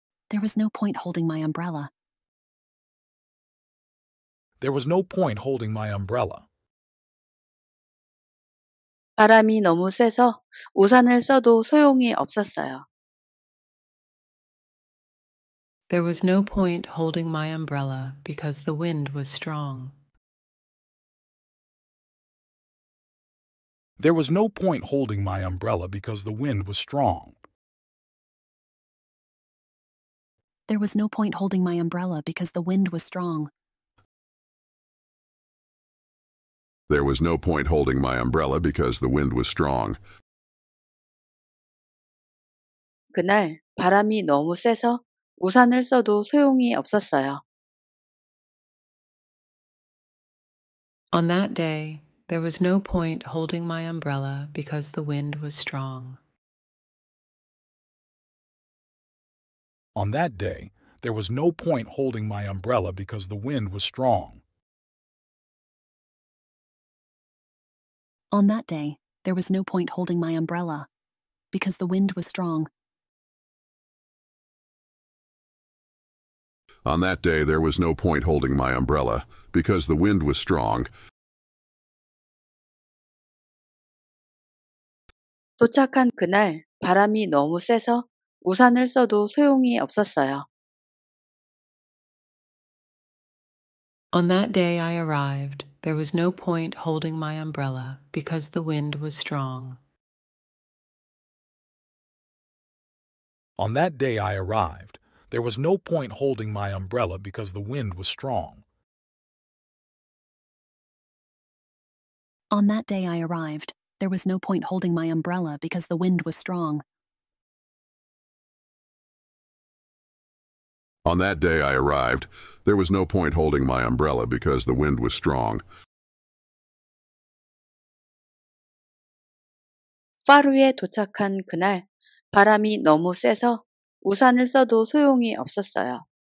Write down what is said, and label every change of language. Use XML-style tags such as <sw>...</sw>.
<en>There was no point holding my umbrella. There was no point holding my umbrella.</en> <ko>바람이 너무 세서 우산을 써도 소용이 없었어요.</ko> <en>There was no point holding my umbrella because the wind was strong. There was no point holding my umbrella because the wind was strong. There was no point holding my umbrella because the wind was strong. There was no point holding my umbrella because the wind was strong.</en> <ko>그날 바람이 너무 세서 우산을 써도 소용이 없었어요.</ko> <en>On that day, there was no point holding my umbrella because the wind was strong. On that day, there was no point holding my umbrella because the wind was strong. On that day, there was no point holding my umbrella because the wind was strong. On that day, there was no point holding my umbrella because the wind was strong.</en> <ko>도착한 그날 바람이 너무 세서 우산을 써도 소용이 없었어요.</ko> <en>On that day I arrived, there was no point holding my umbrella because the wind was strong. On that day I arrived, there was no point holding my umbrella because the wind was strong. On that day I arrived, there was no point holding my umbrella because the wind was strong. On that day I arrived, there was no point holding my umbrella because the wind was strong.</en> <ko>파루에 도착한 그날 바람이 너무 세서 우산을 써도 소용이 없었어요.</ko>